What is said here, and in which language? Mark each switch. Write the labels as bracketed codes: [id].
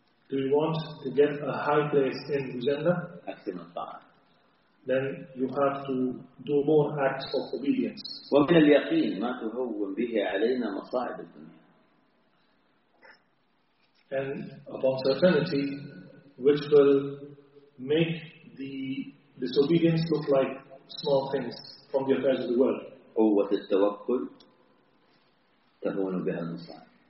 [en] Do you want to get a high place in the Jannah? [ar] أكثر من طاعة. [en] Then you have to do more acts of obedience. [ar] ومن اليقين ما تهون به علينا مصاعب الدنيا. [en] And about certainty, which will make the disobedience look like small things from the affairs of the world. [ar] قوة التوكل تهون بها المصاعب.